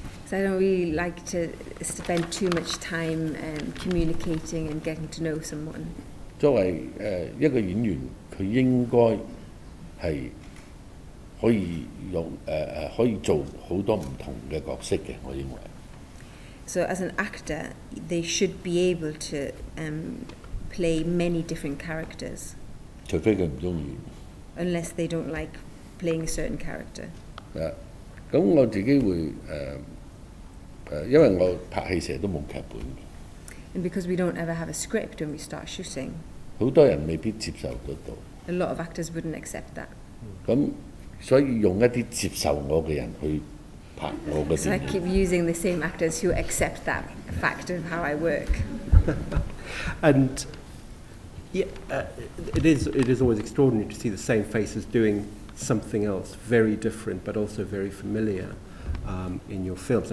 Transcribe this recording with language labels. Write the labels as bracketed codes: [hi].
[en] I don't really like to spend too much time communicating and getting to know someone. [yue] 作為一個演員, 他應該是可以用可以做好多唔同嘅角色嘅，我認為。 [en] So as an actor, they should be able to play many different characters. [yue] 除非佢唔中意。 [en] Unless they don't like playing a certain character. [yue] 咁我自己會因為我拍戲成日都冇劇本。 [en] And because we don't ever have a script when we start shooting. [yue] 好多人未必接受得到。 [en] A lot of actors wouldn't accept that. [yue] 咁所以用一啲接受我嘅人去拍我嘅電影。 [en] So I keep using the same actors who accept that fact of how I work. And it is always extraordinary to see the same faces doing something else, very different, but also very familiar in your films.